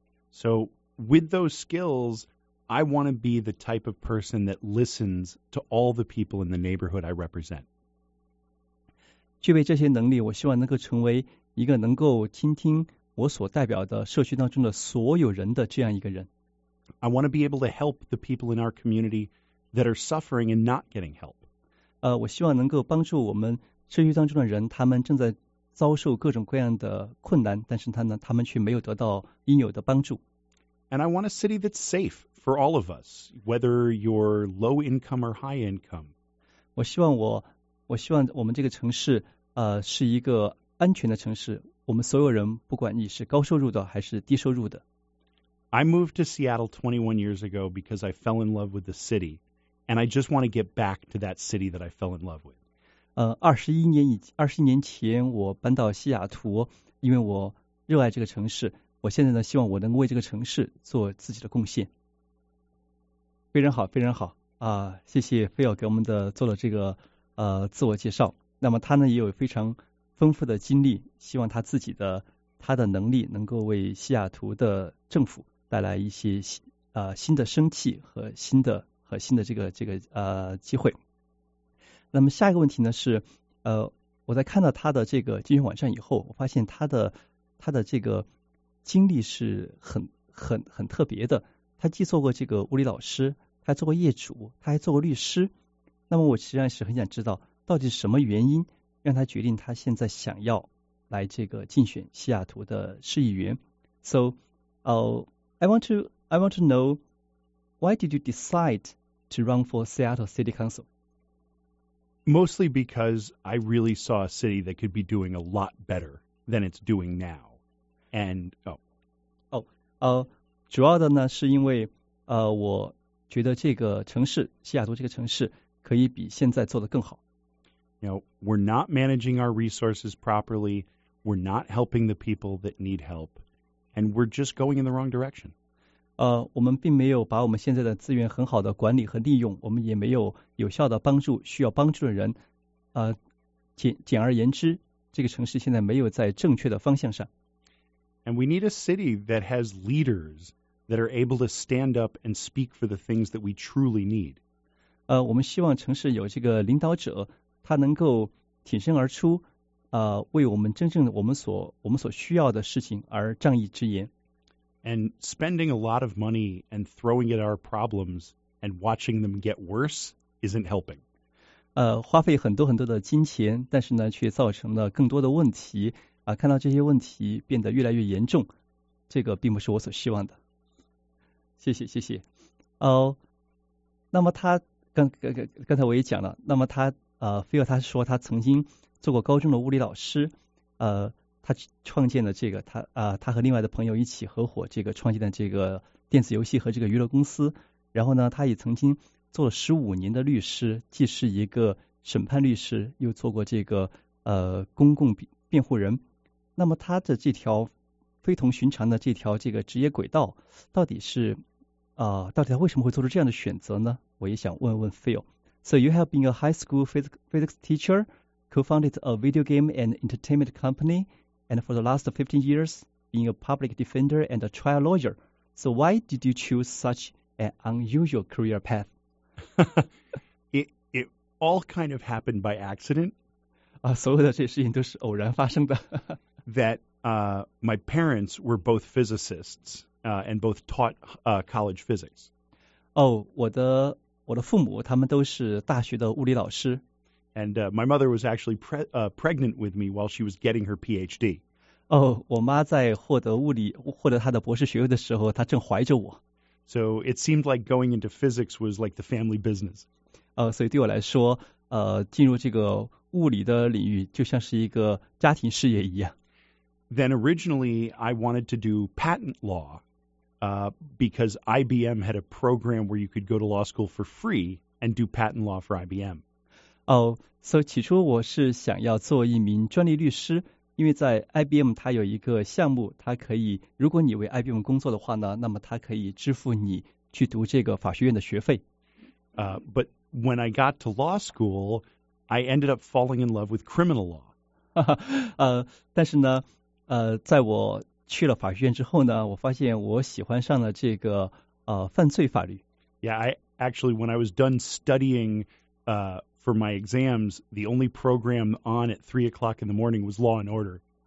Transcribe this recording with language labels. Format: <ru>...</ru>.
<en>So with those skills, I want to be the type of person that listens to all the people in the neighborhood I represent.</en> <zh>具备这些能力，我希望能够成为一个能够倾听我所代表的社区当中的所有人的这样一个人。</zh> <en>I want to be able to help the people in our community that are suffering and not getting help.</en> <zh>我希望能够帮助我们社区当中的人，他们正在遭受各种各样的困难，但是他们却没有得到应有的帮助。</zh> <en>And I want a city that's safe for all of us, whether you're low income or high income.</en> <zh>我希望我们这个城市是一个安全的城市，我们所有人不管你是高收入的还是低收入的。</zh> <en>I moved to Seattle 21 years ago because I fell in love with the city, and I just want to get back to that city that I fell in love with.</en> <zh>21年前我搬到西雅图，因为我热爱这个城市，我现在呢希望我能为这个城市做自己的贡献。非常好，非常好啊，谢谢菲尔给我们的做了这个自我介绍。那么他呢也有非常丰富的经历，希望他自己的他的能力能够为西雅图的政府带来一些新的生气和新的这个机会。那么下一个问题呢是我在看到他的这个竞选网站以后，我发现他的这个经历是很特别的。他既做过这个物理老师，他还做过业主，他还做过律师。那么我实际上是很想知道，到底什么原因让他决定他现在想要来这个竞选西雅图的市议员。</zh> <en>So, I want to know, why did you decide to run for Seattle City Council? Mostly because I really saw a city that could be doing a lot better than it's doing now. And, oh,</en> <zh>主要的呢是因为我觉得这个城市，西雅图这个城市可以比现在做得更好。</zh> <en>You know, we're not managing our resources properly. We're not helping the people that need help. And we're just going in the wrong direction.</en> <zh>我们并没有把我们现在的资源很好的管理和利用，我们也没有有效的帮助需要帮助的人。简而言之，这个城市现在没有在正确的方向上。</zh> <en>And we need a city that has leaders that are able to stand up and speak for the things that we truly need.</en> <zh>我们希望城市有这个领导者，他能够挺身而出，为我们真正的我们所需要的事情而仗义执言。</zh> <en>And spending a lot of money and throwing at our problems and watching them get worse isn't helping.</en> <zh>花费很多很多的金钱，但是呢，却造成了更多的问题啊！看到这些问题变得越来越严重，这个并不是我所希望的。谢谢，谢谢。哦，那么他刚才我也讲了，那么他菲尔他说他曾经做过高中的物理老师，他创建了这个他和另外的朋友一起合伙这个创建的这个电子游戏和这个娱乐公司，然后呢，他也曾经做了15年的律师，既是一个审判律师，又做过这个公共辩护人。那么他的这条非同寻常的这条这个职业轨道，到底是到底他为什么会做出这样的选择呢？我也想问问 Phil。</zh> <en>So you have been a high school physics teacher, co-founded a video game and entertainment company, and for the last 15 years, being a public defender and a trial lawyer. So why did you choose such an unusual career path? it all kind of happened by accident.</en> <zh>所有的这些事情都是偶然发生的。</zh> <en>That my parents were both physicists and both taught college physics.</en> <zh>我的父母他们都是大学的物理老师。</zh> <en>And my mother was actually pregnant with me while she was getting her PhD.</en> <zh>我妈在获得她的博士学位的时候，她正怀着我。</zh> <en>So it seemed like going into physics was like the family business.</en> <zh>所以对我来说，进入这个物理的领域就像是一个家庭事业一样。</zh> <en>Then originally I wanted to do patent law, because IBM had a program where you could go to law school for free and do patent law for IBM.</en> <zh>所以起初我是想要做一名专利律师。因为在 IBM 它有一个项目，它可以，如果你为 IBM 工作的话呢，那么它可以支付你去读这个法学院的学费。</zh> <en>But when I got to law school, I ended up falling in love with criminal law.</en> <zh>但是呢，在我去了法学院之后呢，我发现我喜欢上了这个犯罪法律。</zh> <en>Yeah, I actually, when I was done studying, for my exams, the only program on at 3 o'clock in the morning was Law and Order.</en>